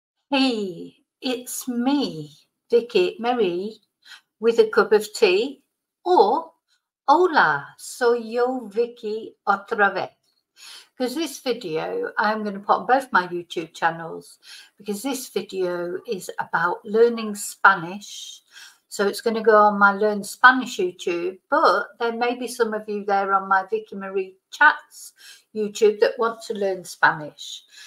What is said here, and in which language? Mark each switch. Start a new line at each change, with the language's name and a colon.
English: Hey, it's me, Vicky Marie, with a cup of tea.
Spanish: Or, hola, soy yo Vicky otra vez.
English: Because this video, I'm going to put on both my YouTube channels, because this video is about learning Spanish. So it's going to go on my Learn Spanish YouTube, but there may be some of you there on my Vicky Marie Chats YouTube that want to learn Spanish.